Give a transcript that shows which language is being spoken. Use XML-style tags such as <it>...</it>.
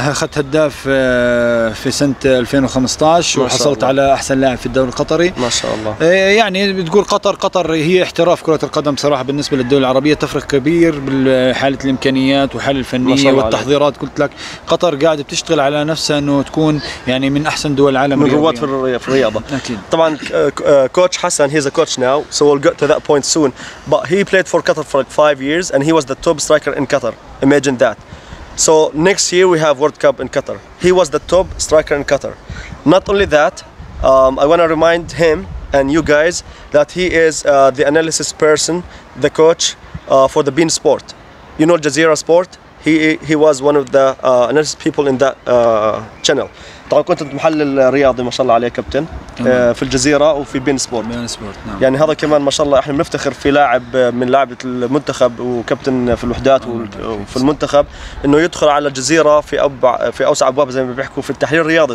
<ar>أخذت هداف في سنة 2015، وحصلت على أحسن لاعب في الدوري القطري ما شاء الله. يعني بتقول قطر هي احتراف كرة القدم صراحة بالنسبة للدول العربية، تفرق كبير بحالة الإمكانيات وحالة الفنية والتحضيرات. قلت لك قطر قاعدة بتشتغل على نفسها أنه تكون يعني من أحسن دول العالم، من رواد في الرياضة. طبعا</ar> <en>Coach Hassan he coach now, so we'll get to that point soon, but he played for Qatar for like 5 years and he was the top striker in Qatar. Imagine that. So next year we have World Cup in Qatar. He was the top striker in Qatar. Not only that, I want to remind him and you guys that he is the analysis person, the coach for the Bein Sport. You know Jazeera Sport? He was one of the analysis people in that channel.</en> <ar>طبعا كنت محلل الرياضي ما شاء الله عليه كابتن في الجزيرة وفي بين سبورت. نعم. يعني هذا كمان ما شاء الله احنا بنفتخر في لاعب من لاعبة المنتخب وكابتن في الوحدات وفي المنتخب انه يدخل على الجزيرة في اوسع ابواب زي ما بيحكوا في التحليل الرياضي.</ar>